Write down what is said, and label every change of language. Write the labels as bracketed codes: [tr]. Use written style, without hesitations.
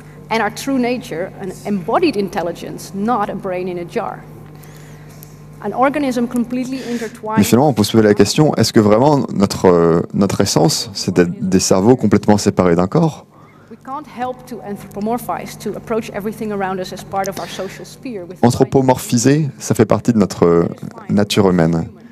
[en] And our true nature, an embodied intelligence, not a brain in a jar. An organism completely intertwined. [fr] Mais finalement, on peut se poser la question, est-ce que vraiment notre essence, c'est des cerveaux complètement séparés d'un corps? [en] We can't help to anthropomorphize, to approach everything around us as part of our social sphere. [fr] Anthropomorphiser, ça fait partie de notre nature humaine.